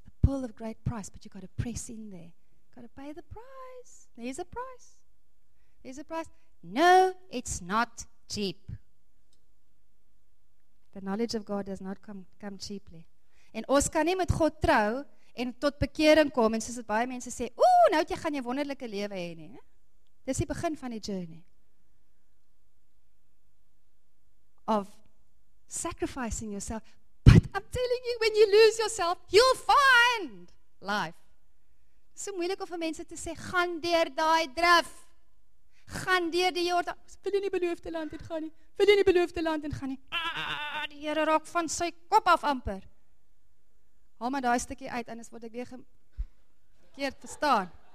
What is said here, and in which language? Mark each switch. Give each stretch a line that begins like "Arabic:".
English: The pearl of great price, but you got to press in there. Got to pay the price. There's a price. There's a price. No, it's not cheap. The knowledge of God does not come cheaply.
Afrikaans: En ons kan nie met God trou en tot bekering kom en soos dit baie mense sê, ooh, nou jy gaan jy wonderlike lewe hê nie. Dis die begin van die journey.
English: Of sacrificing yourself. But I'm telling you, when you lose yourself, you'll find life.
Afrikaans: Dis so moeilik om vir mense te sê, gaan deur daai drif. Gaan deur die Jordaan. Wil jy nie beloofde land en gaan nie? Wil jy nie beloofde land en gaan nie? Ah, die Here raak van sy kop af amper. Haal maar daai stukkie uit, anders word ek weer verkeerd verstaan.